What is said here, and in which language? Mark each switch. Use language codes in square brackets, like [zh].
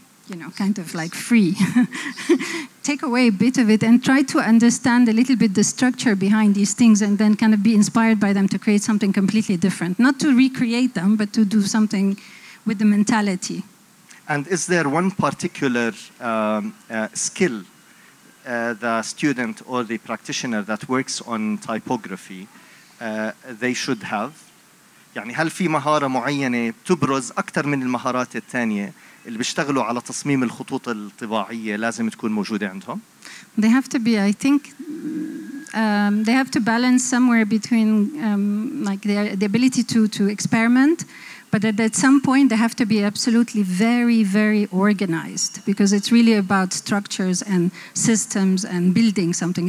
[en] you know, kind of like free. Take away a bit of it and try to understand a little bit the structure behind these things and then kind of be inspired by them to create something completely different. Not to recreate them, but to do something with the mentality. And is there one particular skill the student or the practitioner that works on typography they should have? [ar] يعني هل في مهارة معينة تبرز أكثر من المهارات الثانية اللي بيشتغلوا على تصميم الخطوط الطباعية لازم تكون موجودة عندهم. [en] They have to be, I think, they have to balance somewhere between like the ability to experiment, but at some point they have to be absolutely very, very organized because it's really about structures and systems and building something.